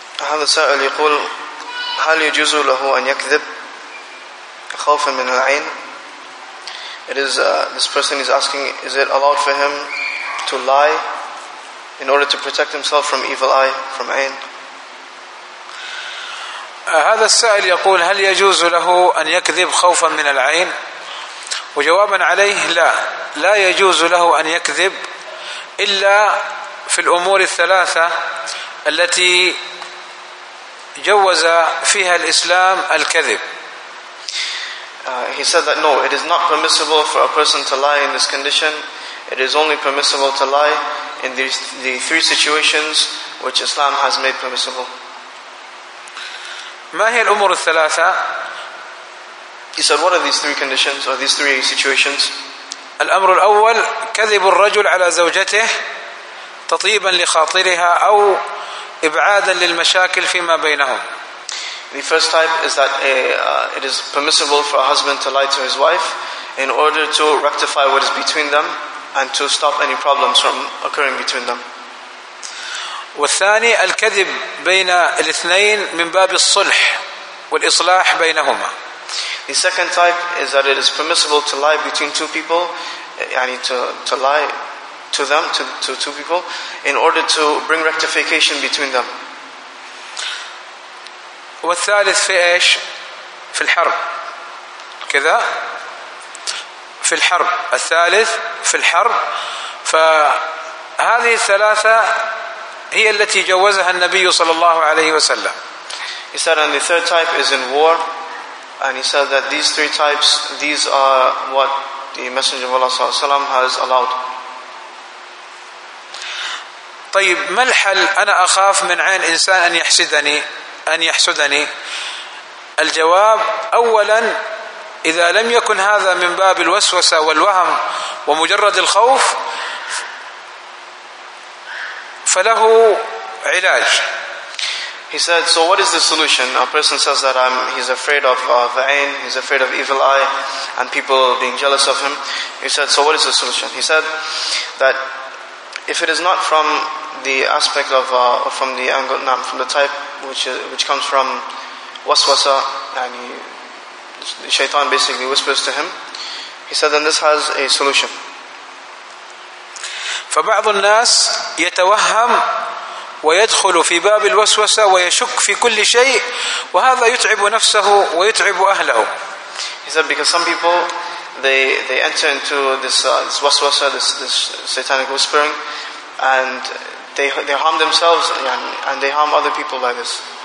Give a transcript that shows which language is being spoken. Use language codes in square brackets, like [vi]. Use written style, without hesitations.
[ar] هذا السائل يقول: هل يجوز له أن يكذب خوفا من العين؟ [en] This person is asking: is it allowed for him to lie in order to protect himself from evil eye, from عين؟ [ar] هذا السائل يقول: هل يجوز له أن يكذب خوفا من العين؟ وجوابا عليه: لا يجوز له أن يكذب إلا في الأمور الثلاثة التي جوز فيها الإسلام الكذب. [en] He said that no, it is not permissible for a person to lie in this condition. It is only permissible to lie in the three situations which Islam has made permissible. [ar] ما هي الأمور الثلاثة؟ [en] He said, what are these three conditions or these three situations? [ar] الأمر الأول كذب الرجل على زوجته تطيبا لخاطرها أو إبعادا للمشاكل فيما بينهم. [en] The first type is that it is permissible for a husband to lie to his wife in order to rectify what is between them and to stop any problems from occurring between them. [ar] والثاني الكذب بين الاثنين من باب الصلح والإصلاح بينهما. [en] The second type is that it is permissible to lie between two people, [ar] يعني [en] to lie to them, to two people, in order to bring rectification between them. [ar] والثالث في إيش؟ في الحرب. كذا؟ في الحرب. الثالث في الحرب. فهذه الثلاثة هي التي جوزها النبي صلى الله عليه وسلم. [en] He said, and the third type is in war. And he said that these three types, these are what the Messenger of Allah [ar] صلى الله عليه وسلم [en] has allowed. [ar] طيب ما الحل؟ أنا أخاف من عين إنسان أن يحسدني. الجواب أولا إذا لم يكن هذا من باب الوسوسة والوهم ومجرد الخوف فله علاج. [en] He said, so what is the solution? A person says that he's afraid of ayn, he's afraid of evil eye and people being jealous of him. He said, so what is the solution? He said that if it is not from the aspect of from the angle, no, from the type which comes from waswasa, and the shaitan basically whispers to him, he said then this has a solution. [ar] فبعض الناس يتوهم ويدخل في باب الوسوسة ويشك في كل شيء وهذا يتعب نفسه ويتعب أهله. [en] He said because some people they enter into this this waswasa, this satanic whispering, and they harm themselves and they harm other people by this.